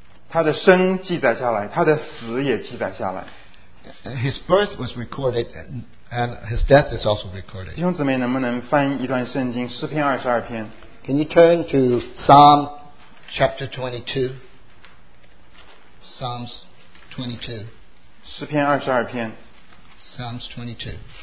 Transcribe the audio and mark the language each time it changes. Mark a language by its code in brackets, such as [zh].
[zh] 他的生记载下来，他的死也记载下来。 [en] His birth was recorded and his death is also recorded. [zh] 弟兄姊妹能不能翻一段圣经，诗篇22篇。 [en] Can you turn to Psalm chapter 22? Psalms 22. [zh] 诗篇22篇。 [en] Psalms 22.